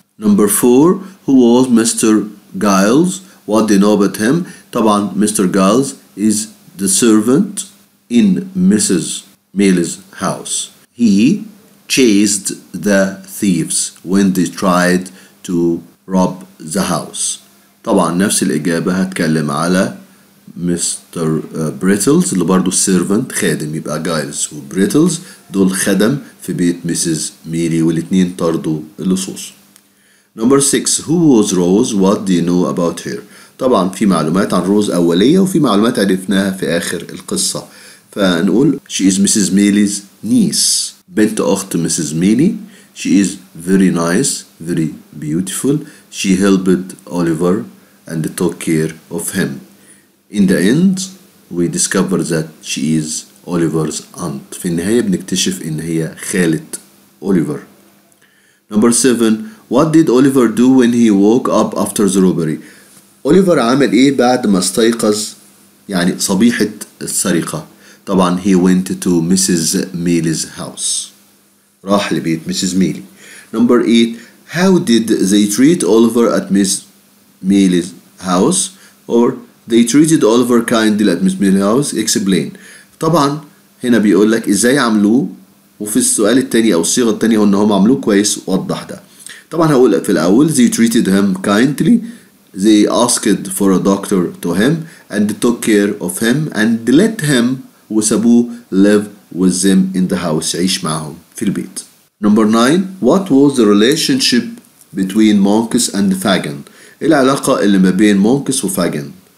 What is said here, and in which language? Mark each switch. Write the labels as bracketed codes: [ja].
[en] Number four, who was Mr. Giles? What do you know about him? طبعا Mr. Giles is the servant in Mrs. Mealy's house. He chased the thieves when they tried to rob the house. [ar] طبعا نفس الإجابة هتكلم على Mr. Brittles اللي برضو servant خادم. يبقى Giles و Brittles دول خدم في بيت Mrs. [en] Mealy [ar] والاتنين طردوا اللصوص. [en] Number six, who was Rose? What do you know about her? [ar] طبعا في معلومات عن روز أولية وفي معلومات عرفناها في آخر القصة. [en] فنقول she is Mrs. Mealy's niece, [ar] بنت أخت [en] Mrs. Mealy. She is very nice, very beautiful. She helped Oliver and took care of him. In the end, we discover that she is Oliver's aunt. [ar] في النهاية بنكتشف إن هي خالة Oliver. [en] Number seven, what did Oliver do when he woke up after the robbery? [ar] أوليفر عمل إيه بعد ما استيقظ يعني صبيحة السرقة؟ طبعا [en] he went to Mrs. Mealy's house. [ar] راح لبيت [en] Mrs. Mealy. Number eight, how did they treat Oliver at Miss Mealy's house? Or they treated Oliver kindly at Miss Mealy's house? Explain. [ar] طبعا هنا بيقول لك إزاي عملوه وفي السؤال التاني أو الصيغة التانية هو إن هم عملوه كويس ووضح ده. [en] طبعا هقول في الأول they treated him kindly. They asked for a doctor to him and took care of him and let him وسابوه live with them in the house, [ar] يعيش معهم في البيت. [en] Number nine, what was the relationship between Monks and Fagin? [ar] العلاقة اللي ما بين Monks وFagin.